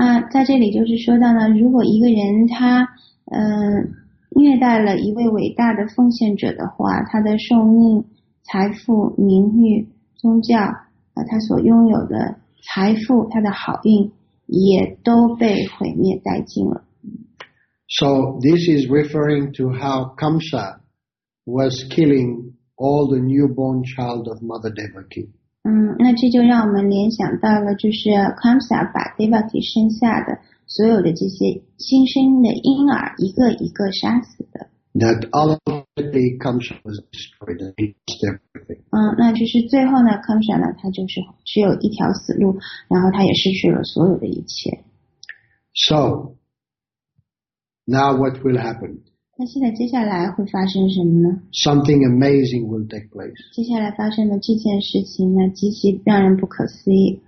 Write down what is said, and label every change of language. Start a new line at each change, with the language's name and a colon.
Chinese: 在这里就是说到了，如果一个人他虐待了一位伟大的奉献者的话，他的寿命、财富、名誉、宗教，他所拥有的财富，他的好运也都被毁灭殆尽了。
English: So this is referring to how Kamsa was killing all the newborn child of Mother Devaki.
Chinese: 那这就让我们联想到了，就是 Kamsa 把 Devaki 生下的所有的这些新生的婴儿一个一个杀死的。
English: That ultimately Kamsa was destroyed and he lost everything.
Chinese: 那就是最后呢 ，Kamsa 呢，他就是只有一条死路，然后他也失去了所有的一切。
English: So. Now what will happen?
Chinese: 那现在接下来会发生什么呢
English: ？Something amazing will take place.
Chinese: 接下来发生的这件事情呢，极其让人不可思议。